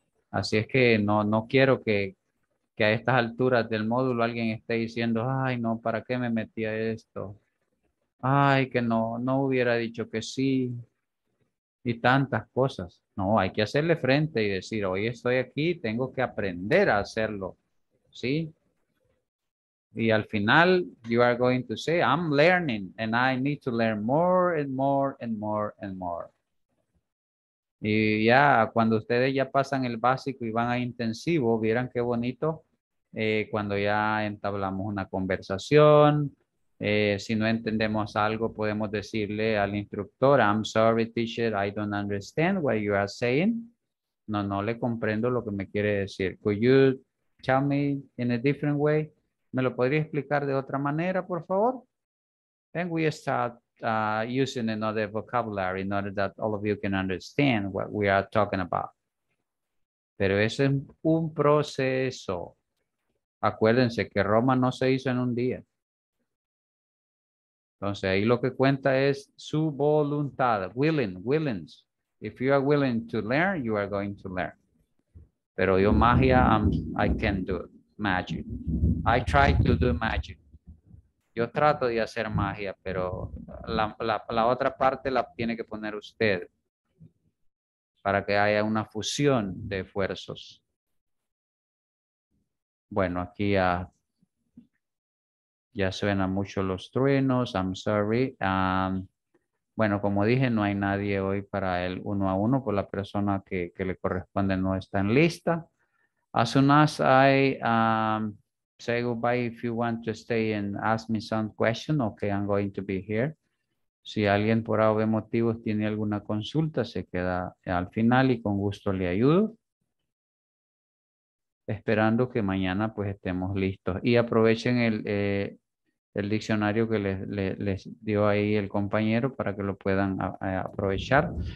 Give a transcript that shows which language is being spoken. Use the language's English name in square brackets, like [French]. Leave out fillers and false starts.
[Spanish] Así es que no quiero que a estas alturas del módulo alguien esté diciendo, ay, no, ¿para qué me metí a esto? Ay, que no hubiera dicho que sí. Y tantas cosas. No, hay que hacerle frente y decir, hoy estoy aquí, tengo que aprender a hacerlo. ¿Sí? Y al final, [English] you are going to say, I'm learning and I need to learn more and more and more and more. [Spanish] Y ya, cuando ustedes ya pasan el básico y van a intensivo, vieran qué bonito cuando ya entablamos una conversación. Si no entendemos algo, podemos decirle al instructor, [English] I'm sorry, teacher, I don't understand what you are saying. [Spanish] No le comprendo lo que me quiere decir. [English] Could you tell me in a different way? [Spanish] ¿Me lo podría explicar de otra manera, por favor? [English] Then we start using another vocabulary in order that all of you can understand what we are talking about. [Spanish] Pero eso es un proceso. Acuérdense que Roma no se hizo en un día. Entonces, ahí lo que cuenta es su voluntad, willing. [English] If you are willing to learn, you are going to learn. [Spanish] Pero yo magia, [English] I can't do it. magic. I try to do magic. [Spanish] Yo trato de hacer magia, pero la otra parte la tiene que poner usted para que haya una fusión de esfuerzos. Bueno, aquí ya, ya suenan mucho los truenos. [English] I'm sorry. [Spanish] Bueno, como dije, no hay nadie hoy para el uno a uno, por la persona que le corresponde no está en lista. [English] As soon as I say goodbye, if you want to stay and ask me some question, okay, I'm going to be here. [Spanish] Si alguien por A o B motivos tiene alguna consulta, se queda al final y con gusto le ayudo. Esperando que mañana pues estemos listos. Y aprovechen el diccionario que les dio ahí el compañero para que lo puedan aprovechar.